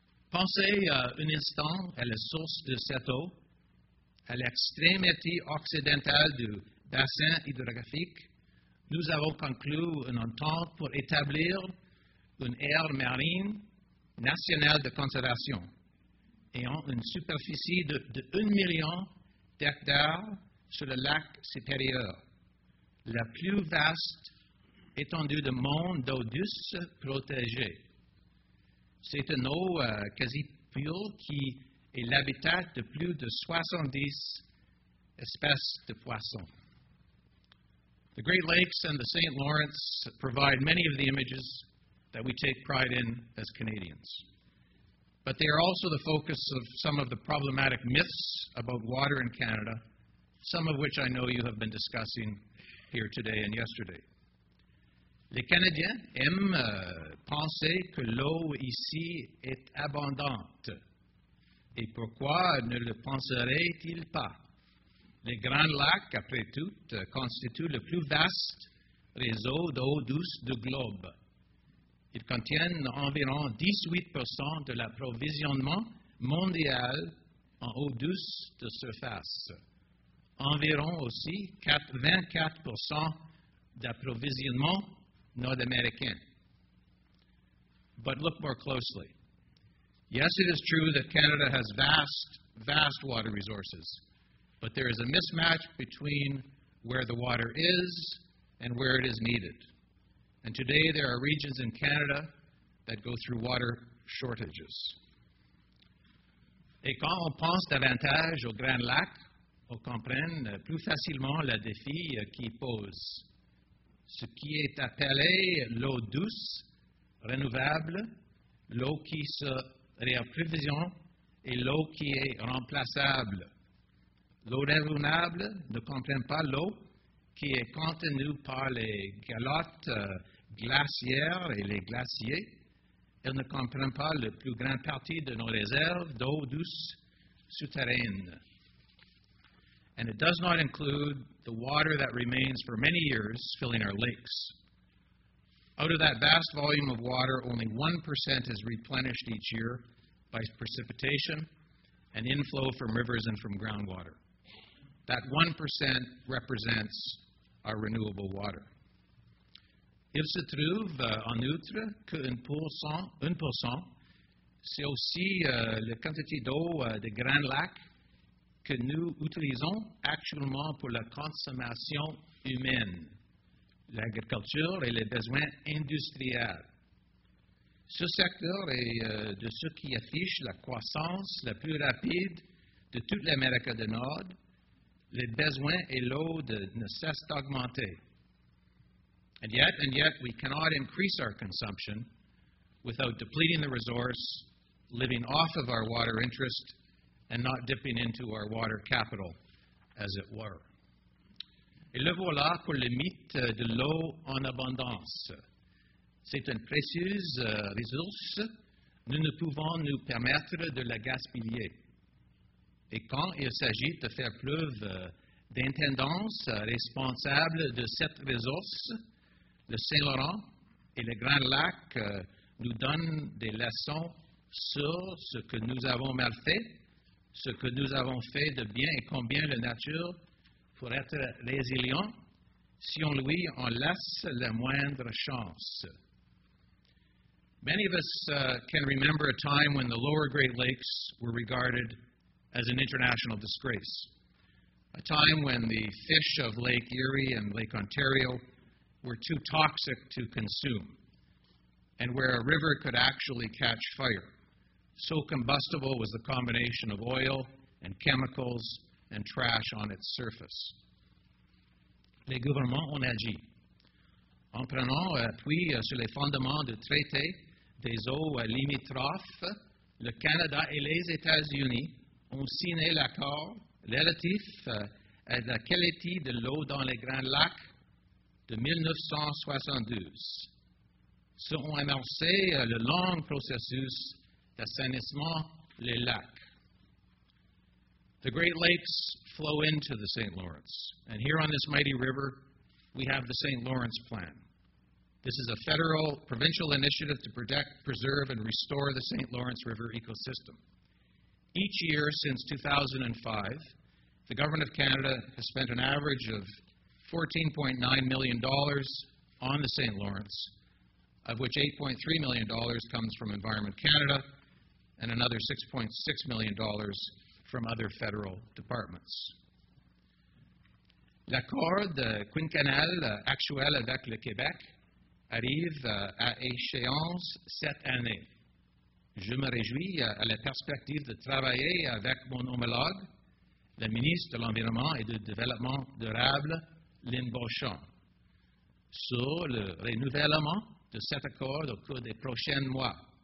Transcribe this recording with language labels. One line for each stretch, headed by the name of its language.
French: Pensez un instant à la source de cette eau, à l'extrémité occidentale du bassin hydrographique, nous avons conclu une entente pour établir une aire marine nationale de conservation ayant une superficie de 1 million d'hectares sur le lac supérieur, la plus vaste étendue du monde d'eau douce protégée. C'est une eau quasi pure qui et l'habitat de plus de 70 espèces de poissons.
English: The Great Lakes and the St. Lawrence provide many of the images that we take pride in as Canadians. But they are also the focus of some of the problematic myths about water in Canada, some of which I know you have been discussing here today and yesterday.
French: Les Canadiens aiment penser que l'eau ici est abondante. Et pourquoi ne le penserait-il pas? Les grands lacs, après tout, constituent le plus vaste réseau d'eau douce du globe. Ils contiennent environ 18% de l'approvisionnement mondial en eau douce de surface. Environ aussi 24% d'approvisionnement nord-américain.
English: But look more closely. Yes, it is true that Canada has vast, vast water resources, but there is a mismatch between where the water is and where it is needed. And today there are regions in Canada that go through water shortages.
French: Et quand on pense davantage aux grands lacs, on comprend plus facilement le défi qui pose. Ce qui est appelé l'eau douce, renouvelable, l'eau qui se réapprovisionne et l'eau qui est remplaçable. L'eau renouvelable ne comprend pas l'eau qui est contenue par les galottes glaciaires et les glaciers. Elle ne comprend pas la plus grande partie de nos réserves d'eau douce souterraine.
English: And it does not include the water that remains for many years filling our lakes. Out of that vast volume of water, only 1% is replenished each year by precipitation and inflow from rivers and from groundwater. That 1% represents our renewable water.
French: Il se trouve en outre que 1%, c'est aussi la quantité d'eau des grands lacs que nous utilisons actuellement pour la consommation humaine, l'agriculture et les besoins industriels. Ce secteur est de ceux qui affichent la croissance la plus rapide de toute l'Amérique du Nord. Les besoins et l'eau ne cessent d'augmenter.
English: And yet, we cannot increase our consumption without depleting the resource, living off of our water interest, and not dipping into our water capital, as it were.
French: Et le voilà pour le mythe de l'eau en abondance. C'est une précieuse ressource. Nous ne pouvons nous permettre de la gaspiller. Et quand il s'agit de faire preuve d'intendance responsable de cette ressource, le Saint-Laurent et le Grand Lac nous donnent des leçons sur ce que nous avons mal fait, ce que nous avons fait de bien et combien la nature pour être résilient si on lui en laisse la moindre chance.
English: Many of us can remember a time when the lower Great Lakes were regarded as an international disgrace, a time when the fish of Lake Erie and Lake Ontario were too toxic to consume, and where a river could actually catch fire. So combustible was the combination of oil and chemicals and trash on its surface.
French: Les gouvernements ont agi en prenant appui sur les fondements du traité des eaux limitrophes. Le Canada et les États-Unis ont signé l'accord relatif à la qualité de l'eau dans les Grands Lacs de 1972. Ce ont annoncé le long processus d'assainissement des lacs.
English: The Great Lakes flow into the St. Lawrence, and here on this mighty river, we have the St. Lawrence Plan. This is a federal provincial initiative to protect, preserve, and restore the St. Lawrence River ecosystem. Each year since 2005, the Government of Canada has spent an average of $14.9 million on the St. Lawrence, of which $8.3 million comes from Environment Canada and another $6.6 million from other federal departments.
French: L'accord quinquennal actuel avec le Québec arrive à échéance cette année. Je me réjouis à la perspective de travailler avec mon homologue, le ministre de l'Environnement et du Développement durable, Lynn Beauchamp, sur le renouvellement de cet accord au cours des prochains mois.